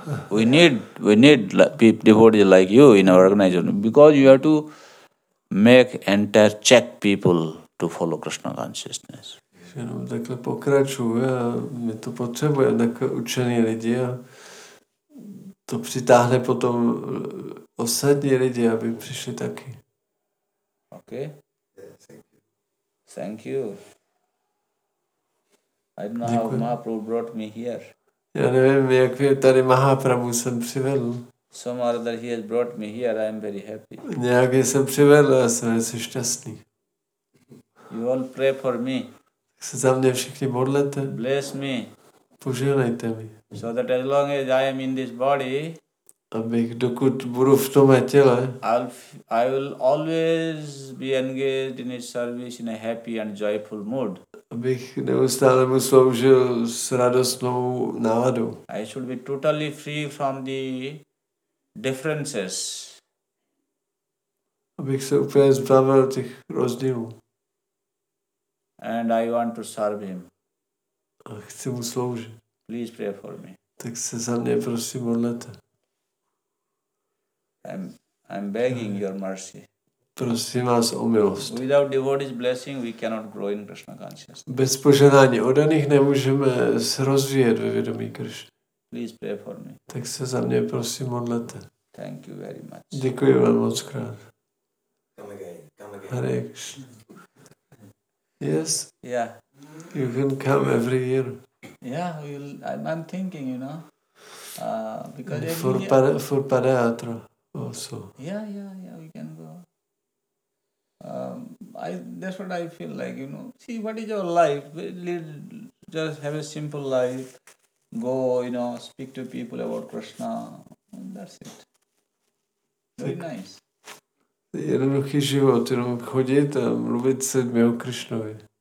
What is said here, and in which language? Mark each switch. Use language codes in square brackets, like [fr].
[en] We need devotees like you in our organization because you have to make entire Czech people to follow Krishna consciousness. [cs] Jenom takhle pokračuje. My to potřebujeme, takhle učení lidi a to přitáhne potom ostatní lidi, aby přišli taky. [en] OK. Yes, thank you. Thank you. I don't know how Mahaprabhu brought me here. [cs] Já nevím, jak mě tady Mahaprabhu jsem přivedl. [en] Some other he has brought me here, I am very happy. [cs] Nějak mě jsem přivedl a jsem velice šťastný. [en] You all pray for me. [cs] Se za mě všichni modlete. [en] Bless me. [cs] Požehnejte mi. [en] So that as long as I am in this body, [cs] abych dokud budu v tom těle, [en] I will always be engaged in his service in a happy and joyful mood. [cs] Abych neustále mu sloužil s radostnou náladou. [en] I should be totally free from the differences. [cs] Abych se úplně zbavil těch rozdílů. [en] And I want to serve him. [cs] A chci mu sloužit. [en] Please pray for me. [cs] Tak se za mě prosím modlete. [en] I'm begging your mercy. [cs] Prosím vás o milost. [en] Without devotee's blessing, we cannot grow in Krishna consciousness. [cs] Bez požehnání od nich nemůžeme se rozvíjet ve vědomí Krishna. [en] Please pray for me. [cs] Tak se za mě prosím modlete. [en] Thank you very much. [cs] Děkuji vám moc krát. [en] Come again. Hare Krishna. Yes. Yeah. You can come every year. Yeah, I'm thinking, you know. Because for Padayatra. Also. Yeah, we can go. That's what I feel like, you know. See, what is your life? Just have a simple life. Go, you know, speak to people about Krishna. And that's it. Very nice. [cs] Jednoduchý život, jenom chodit a mluvit se mě o Krishnovi.